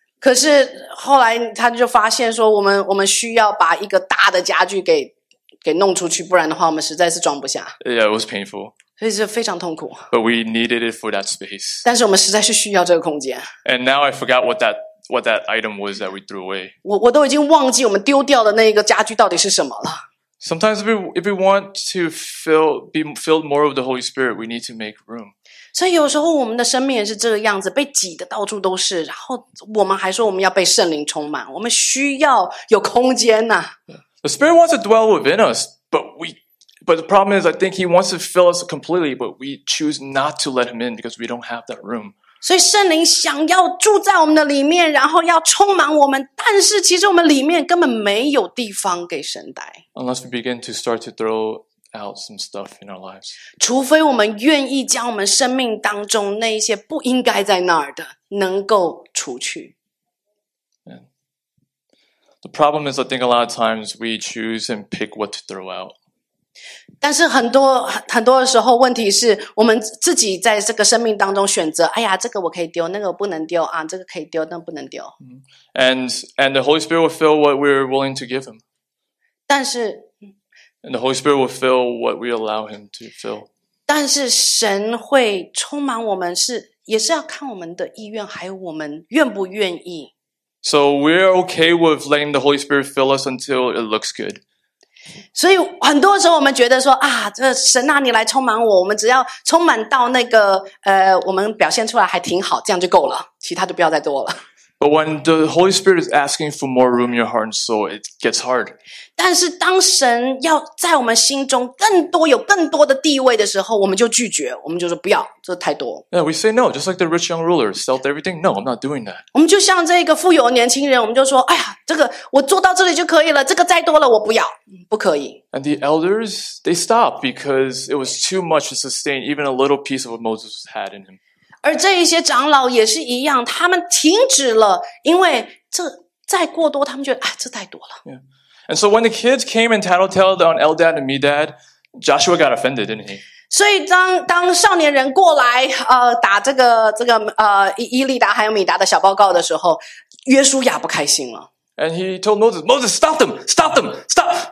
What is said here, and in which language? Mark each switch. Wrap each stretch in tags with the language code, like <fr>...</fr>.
<zh>可是后来他就发现说，我们需要把一个大的家具给弄出去，不然的话我们实在是装不下。</zh> <en>Yeah, it was painful.</en> <zh>所以是非常痛苦。</zh> <en>But we needed it for that space.</en> <zh>但是我们实在是需要这个空间。</zh> <en>And now I forgot what that item was that we threw away.</en> <zh>我都已经忘记我们丢掉的那个家具到底是什么了。</zh> <en>Sometimes if we want to be filled more of the Holy Spirit, we need to make room.</en> <zh>所以有时候我们的生命也是这个样子，被挤得到处都是，然后我们还说我们要被圣灵充满，我们需要有空间呐。</zh> <en>The Spirit wants to dwell within us, but the problem is, I think He wants to fill us completely, but we choose not to let Him in because we don't have that room.</en> <zh>所以圣灵想要住在我们的里面，然后要充满我们，但是其实我们里面根本没有地方给神待。</zh> <en>Unless we begin to start to throw out some stuff in our lives.</en> <zh>除非我们愿意将我们生命当中那些不应该在那儿的能够除去。</zh> <en>Yeah. The problem is, I think a lot of times we choose and pick what to throw out.</en> <zh>但是很多的时候问题是我们自己在这个生命当中选择，哎呀，这个我可以丢，那个我不能丢啊，这个可以丢，那个不能丢。</zh> <en>And the Holy Spirit will fill what we're willing to give Him.</en> <zh>但是</zh> <en>And the Holy Spirit will fill what we allow Him to fill.</en> <zh>但是神会充满我们是也是要看我们的意愿，还有我们愿不愿意。</zh> <en>So we're okay with letting the Holy Spirit fill us until it looks good.</en> <zh>所以很多时候我们觉得说啊，这神啊，你来充满我，我们只要充满到那个我们表现出来还挺好，这样就够了，其他就不要再多了。</zh> <en>But when the Holy Spirit is asking for more room in your heart and soul, it gets hard.</en> <zh>但是当神要在我们心中更多有更多的地位的时候，我们就拒绝，我们就说不要，这太多。</zh> <en>Yeah, we say no, just like the rich young ruler, sell everything. No, I'm not doing that.</en> <zh>我们就像这个富有的年轻人，我们就说，哎呀。这个我做到这里就可以了，这个再多了我不要，不可以。</zh> <en>And the elders, they stopped because it was too much to sustain even a little piece of what Moses had in him.</en> <zh>而这一些长老也是一样，他们停止了，因为这再过多他们觉得，哎，这太多了。</zh> <en>Yeah. And so when the kids came and tattletaled on Eldad and Medad, Joshua got offended, didn't he?</en> <zh>所以当少年人过来打这个伊利达还有米达的小报告的时候，约书亚不开心了。</zh> <en>And he told Moses, Moses, stop them, stop them, stop.</en>